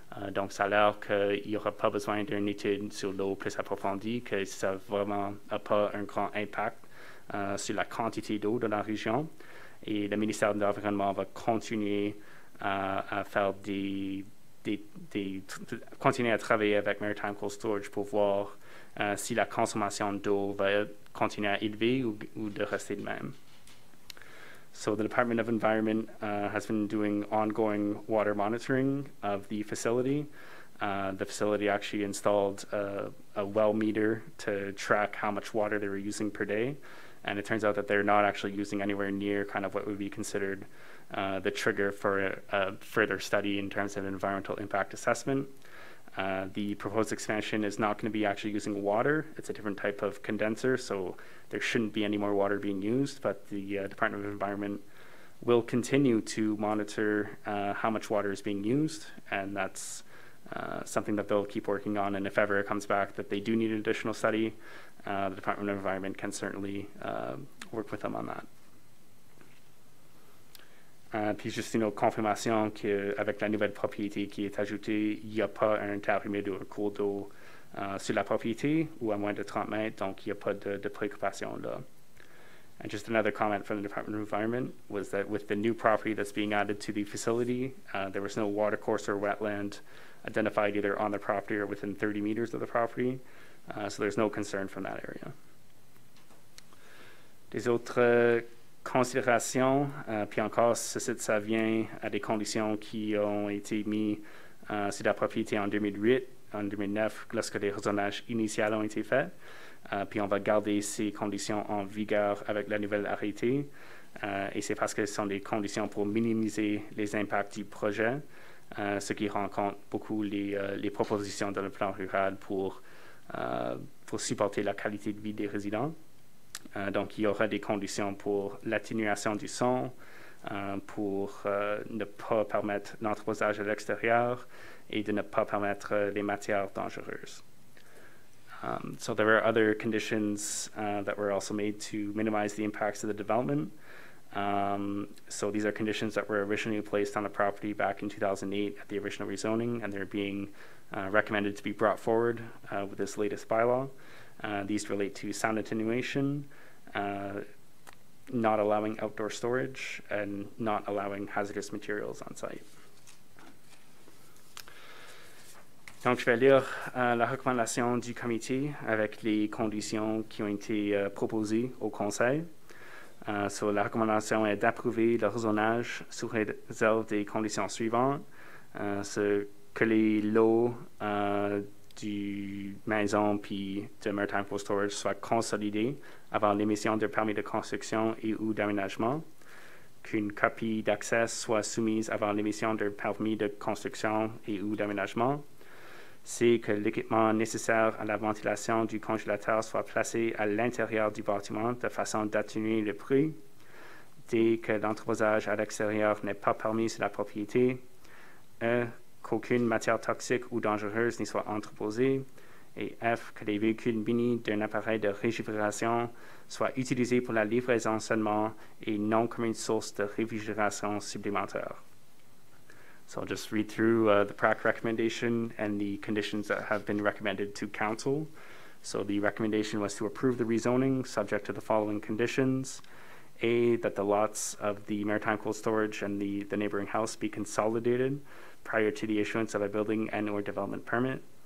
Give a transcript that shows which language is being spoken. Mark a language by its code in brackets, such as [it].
[fr] Donc, ça a l'air qu'il n'y aura pas besoin d'une étude sur l'eau plus approfondie, que ça vraiment n'a pas un grand impact sur la quantité d'eau dans la région. et le ministère de l'Environnement va continuer à faire continuer à travailler avec Maritime Cold Storage pour voir si la consommation d'eau va continuer à élever ou de rester de même. [en] So the Department of Environment has been doing ongoing water monitoring of the facility. The facility actually installed a well meter to track how much water they were using per day. And it turns out that they're not actually using anywhere near kind of what would be considered the trigger for a further study in terms of environmental impact assessment. The proposed expansion is not going to be actually using water. It's a different type of condenser, so there shouldn't be any more water being used, but the Department of Environment will continue to monitor how much water is being used, and that's something that they'll keep working on, and if ever it comes back that they do need an additional study, the Department of Environment can certainly work with them on that. [fr] Puis juste une autre confirmation qu'avec la nouvelle propriété qui est ajoutée, il n'y a pas un interprimé de cours d'eau sur la propriété ou à moins de 30 mètres, donc il n'y a pas de préoccupation là. [en] And just another comment from the Department of Environment was that with the new property that's being added to the facility, there was no water course or wetland identified either on the property or within 30 meters of the property, so there's no concern from that area. [fr] Des autres considération, puis encore, ce site, ça vient à des conditions qui ont été mises sur la propriété en 2008, en 2009, lorsque les rezonnages initiaux ont été faits. Puis on va garder ces conditions en vigueur avec la nouvelle arrêté. Et c'est parce que ce sont des conditions pour minimiser les impacts du projet, ce qui rencontre beaucoup les propositions dans le plan rural pour supporter la qualité de vie des résidents. Donc, il y aura des conditions pour l'atténuation du son, pour ne pas permettre l'entreposage à l'extérieur et de ne pas permettre les matières dangereuses. [en] So there are other conditions that were also made to minimize the impacts of the development. So these are conditions that were originally placed on the property back in 2008 at the original rezoning, and they're being recommended to be brought forward with this latest bylaw. These relate to sound attenuation, not allowing outdoor storage, and not allowing hazardous materials on site. [fr] Donc, je vais lire la recommandation du comité avec les conditions qui ont été proposées au conseil. So, la recommandation est d'approuver le rezonnage sous réserve des conditions suivantes. Que les lots du maison puis de Maritime Cold Storage soient consolidés avant l'émission de permis de construction et ou d'aménagement, qu'une copie d'accès soit soumise avant l'émission de permis de construction et ou d'aménagement, c'est que l'équipement nécessaire à la ventilation du congélateur soit placé à l'intérieur du bâtiment de façon d'atténuer le bruit, dès que l'entreposage à l'extérieur n'est pas permis sur la propriété, qu'aucune matière toxique ou dangereuse n'y soit entreposée, et F, que les véhicules munis d'un appareil de réfrigération soient utilisés pour la livraison seulement et non comme une source de réfrigération supplémentaire. [en] So I'll just read through the PRAC recommendation and the conditions that have been recommended to Council. So the recommendation was to approve the rezoning subject to the following conditions. A, that the lots of the Maritime Cold Storage and the neighboring house be consolidated prior to the issuance of a building and or development permit.